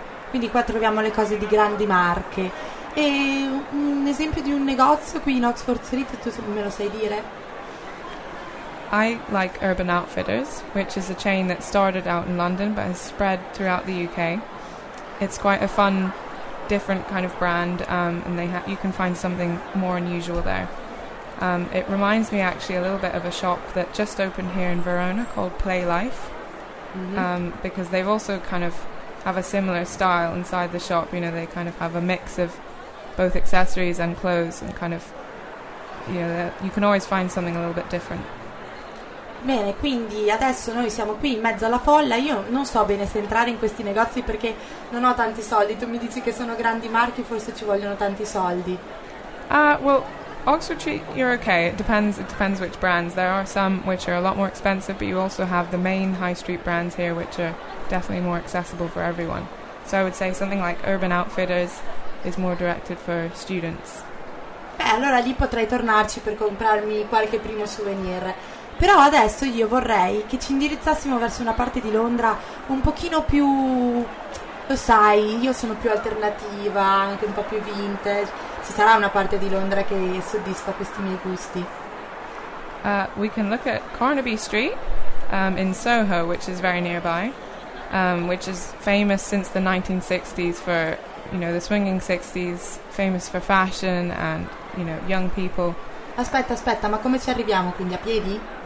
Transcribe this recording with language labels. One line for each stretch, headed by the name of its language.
Italian: Quindi qua troviamo le cose di grandi marche. E un esempio di un negozio qui in Oxford Street, tu me lo sai dire?
English: I like Urban Outfitters, which is a chain that started out in London but has spread throughout the UK. It's quite a fun, different kind of brand, and you can find something more unusual there. It reminds me actually a little bit of a shop that just opened here in Verona called Play Life, because they've also kind of have a similar style inside the shop. You know, they kind of have a mix of both accessories and clothes, and kind of, you know, you can always find something a little bit different.
Italian: Bene, quindi adesso noi siamo qui in mezzo alla folla. Io non so bene se entrare in questi negozi perché non ho tanti soldi. Tu mi dici che sono grandi marchi, forse ci vogliono tanti soldi.
English: Well, Oxford Street, you're okay. It depends which brands. There are some which are a lot more expensive, but you also have the main high street brands here, which are definitely more accessible for everyone. So I would say something like Urban Outfitters is more directed for students.
Italian: Beh, allora lì potrei tornarci per comprarmi qualche primo souvenir. Però adesso io vorrei che ci indirizzassimo verso una parte di Londra un pochino più, lo sai, io sono più alternativa, anche un po' più vintage. Ci sarà una parte di Londra che soddisfa questi miei gusti?
English: We can look at Carnaby Street in Soho, which is very nearby, which is famous since the 1960s for, you know, the swinging 60s, famous for fashion and, you know, young people.
Italian: Aspetta, ma come ci arriviamo quindi, a piedi?